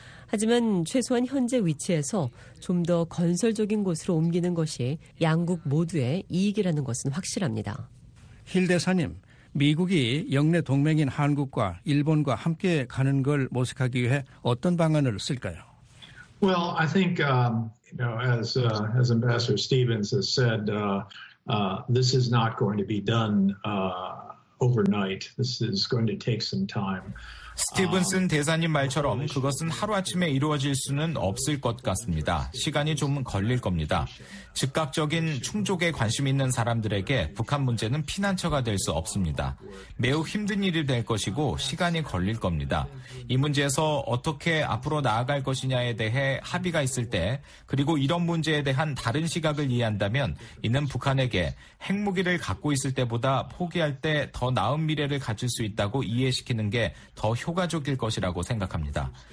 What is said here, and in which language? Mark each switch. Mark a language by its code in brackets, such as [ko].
[ko] 하지만 최소한 현재 위치에서 좀 더 건설적인 곳으로 옮기는 것이 양국 모두의 이익이라는 것은 확실합니다. 힐 대사님, 미국이 영내 동맹인 한국과 일본과 함께 가는 걸 모색하기 위해 어떤 방안을 쓸까요? [en] Well, I think, as Ambassador Stevens has said, this is not going to be done overnight. This is going to take some time. [ko] 스티븐슨 대사님 말처럼 그것은 하루아침에 이루어질 수는 없을 것 같습니다. 시간이 좀 걸릴 겁니다. 즉각적인 충족에 관심 있는 사람들에게 북한 문제는 피난처가 될 수 없습니다. 매우 힘든 일이 될 것이고 시간이 걸릴 겁니다. 이 문제에서 어떻게 앞으로 나아갈 것이냐에 대해 합의가 있을 때 그리고 이런 문제에 대한 다른 시각을 이해한다면 이는 북한에게 핵무기를 갖고 있을 때보다 포기할 때 더 나은 미래를 가질 수 있다고 이해시키는 게 더 효과적일 것이라고 생각합니다.